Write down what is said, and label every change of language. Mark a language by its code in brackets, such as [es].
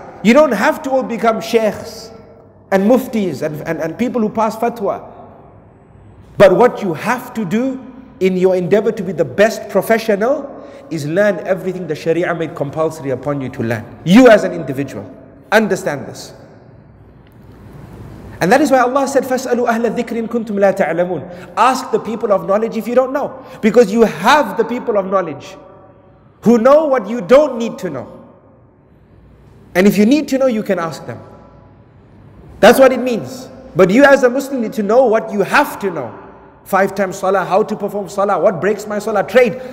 [en] You don't have to all become sheikhs and muftis and people who pass fatwa. But what you have to do in your endeavor to be the best professional is learn everything the Sharia made compulsory upon you to learn. You as an individual. Understand this. And that is why Allah said, [ar] فَاسْأَلُوا أَهْلَ الذِّكْرِ إِن كُنْتُمْ لَا تَعْلَمُونَ. [en] Ask the people of knowledge if you don't know. Because you have the people of knowledge who know what you don't need to know. And if you need to know, you can ask them. That's what it means. But you as a Muslim need to know what you have to know. 5 times salah, how to perform salah, what breaks my salah, trade.